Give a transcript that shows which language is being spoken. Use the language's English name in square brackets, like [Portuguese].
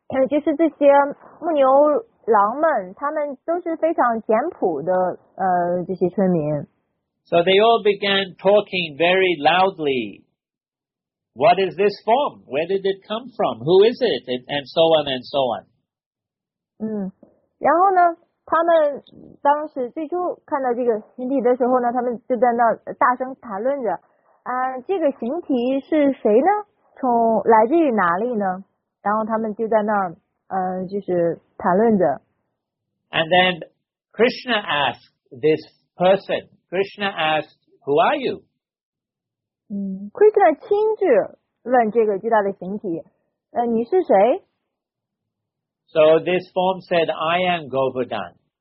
[Chinese] 就是这些牧牛郎们他们都是非常简朴的这些村民。 [English] So they all began talking very loudly. What is this form? Where did it come from? Who is it? And so on and so on. [Chinese] 然后呢，他们当时最初看到这个形体的时候呢，他们就在那大声谈论着，这个形体是谁呢？从来自于哪里呢？然后他们就在那就是谈论着。 [English] And then Krishna asked this person, Krishna asked, who are you? [Chinese] Krishna 亲自问这个巨大的形体，你是谁 [English] ？So this form said, "I am Govardhan."